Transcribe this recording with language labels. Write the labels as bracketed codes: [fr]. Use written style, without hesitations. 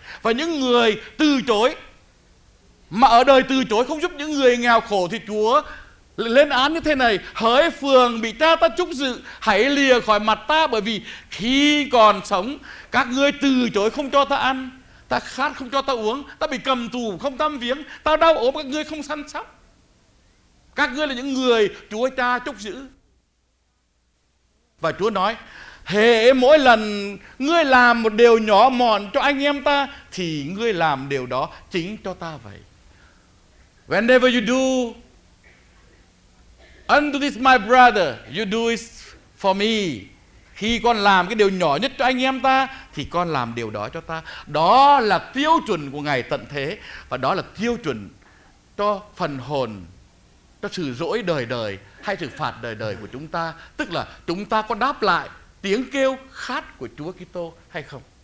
[vi] Và những người từ chối, mà ở đời từ chối không giúp những người nghèo khổ thì Chúa lên án như thế này: hỡi phường bị cha ta trúng dự, hãy lìa khỏi mặt ta, bởi vì khi còn sống, các ngươi từ chối không cho ta ăn, ta khát không cho ta uống, ta bị cầm tù không thăm viếng, ta đau ốm các ngươi không săn sóc. Các ngươi là những người Chúa cha trúng dự. Và Chúa nói, hễ mỗi lần ngươi làm một điều nhỏ mọn cho anh em ta, thì ngươi làm điều đó chính cho ta vậy. [en] Whenever you do unto this my brother, you do it for me. [vi] Khi con làm cái điều nhỏ nhất cho anh em ta, thì con làm điều đó cho ta. Đó là tiêu chuẩn của ngày tận thế, và đó là tiêu chuẩn cho phần hồn, cho sự dỗi đời đời hay sự phạt đời đời của chúng ta. Tức là chúng ta có đáp lại tiếng kêu khát của Chúa Kitô hay không?